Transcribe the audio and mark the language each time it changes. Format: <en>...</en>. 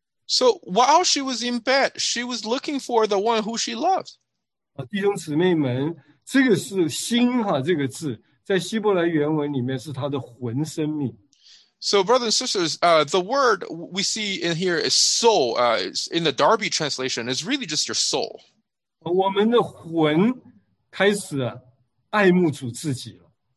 <en>So while she was in bed, she was looking for the one who she loved.</en> <zh>弟兄姊妹们, 这个是心啊, 这个字, 在希伯来原文里面是他的魂生命。</zh> <en>So brothers and sisters, the word we see in here is soul. In the Darby translation, it's really just your soul.</en> <zh>我们的魂开始爱慕主自己了。</zh>